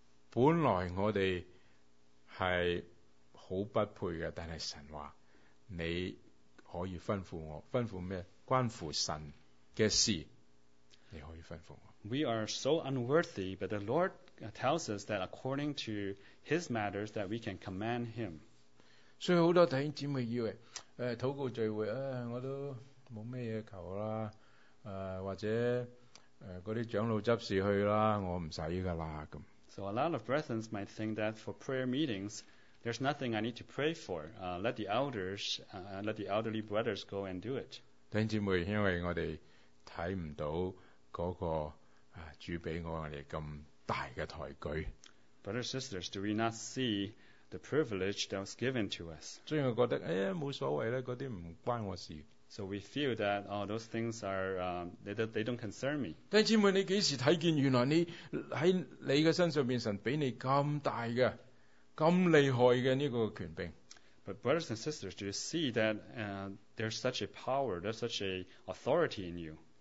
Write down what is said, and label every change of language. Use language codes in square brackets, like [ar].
[yue] 本来我哋系好不配嘅，但系神话你可以吩咐我，吩咐咩？关乎神嘅事，你可以吩咐我。 [en] We are so unworthy, but the Lord tells us that according to His matters that we can command Him. [yue] 所以好多弟兄姊妹以为，祷告聚会，我都冇咩嘢求啦，或者嗰啲长老执事去啦，我唔使噶啦咁。 [en] So a lot of brethren might think that for prayer meetings, there's nothing I need to pray for. Let the elderly brothers go and do it. [yue] 弟兄姊妹，因为我哋睇唔到嗰个主俾我哋咁大嘅抬举。 [en] Brothers and sisters, do we not see the privilege that was given to us? [yue] 所以我觉得，冇所谓啦，嗰啲唔关我事。 [en] So we feel that those things are they don't concern me. [yue] 弟兄姊妹，你几时睇见原来你喺你嘅身上边神俾你咁大嘅、咁厉害嘅呢个权柄 [en] ？But brothers and sisters, do you see that there's such a power, there's such a authority in you?